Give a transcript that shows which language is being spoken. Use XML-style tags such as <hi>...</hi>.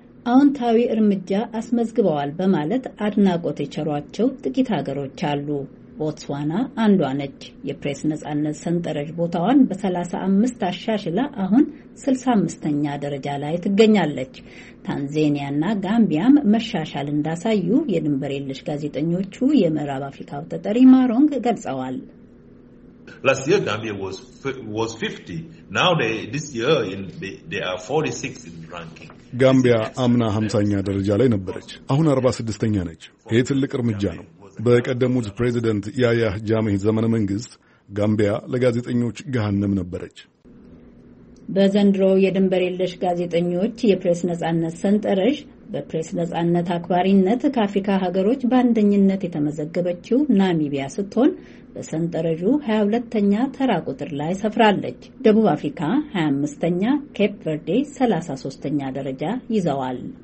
<am>አዎንታዊ እርምጃ አስመዝግበዋል በማለት አድናቆት የቸሯቸው ጥቂት ሀገሮች አሉ። ቦትስዋና አንዷ ነች። የፕሬስ ነጻነት ሰንጠረዥ ቦታዋን በ35 አሻሽላ አሁን 65ኛ ደረጃ ላይ ትገኛለች። ታንዛኒያና ጋምቢያም መሻሻል እንዳሳዩ የድንበር የለሽ ጋዜጠኞቹ የምዕራብ አፍሪካው ተጠሪ ማሮንግ ገልጸዋል።</am> <en>Last year Gambia was 50. Now this year they are 46 in ranking.</en> <am>ጋምቢያ አምና 50ኛ ደረጃ ላይ ነበረች። አሁን 46ኛ ነች። ይህ ትልቅ እርምጃ ነው። በቀደሙት ፕሬዚደንት ያያ ጃሜ ዘመነ መንግስት ጋምቢያ ለጋዜጠኞች ገሃነም ነበረች። በዘንድሮው የድንበር የለሽ ጋዜጠኞች የፕሬስ ነጻነት ሰንጠረዥ በፕሬስ ነጻነት አክባሪነት ከአፍሪካ ሀገሮች በአንደኝነት የተመዘገበችው ናሚቢያ ስትሆን በሰንጠረዡ 22ኛ ተራ ቁጥር ላይ ሰፍራለች። ደቡብ አፍሪካ 25ኛ፣ ኬፕ ቨርዴ 33ኛ ደረጃ ይዘዋል።</am>